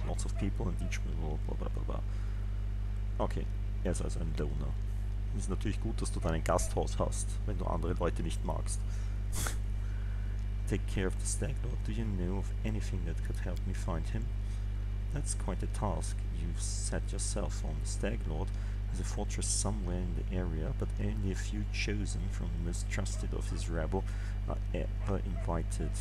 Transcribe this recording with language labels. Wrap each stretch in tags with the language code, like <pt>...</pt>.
<en>Lots of people and each blah blah blah blah blah.</en> <de>Okay, er ist also ein Loner. Ist natürlich gut, dass du dein Gasthaus hast, wenn du andere Leute nicht magst.</de> <en>Take care of the stag lord. Do you know of anything that could help me find him? That's quite a task you've set yourself on. The stag lord has a fortress somewhere in the area, but only a few chosen from the most trusted of his rabble are ever invited.</en>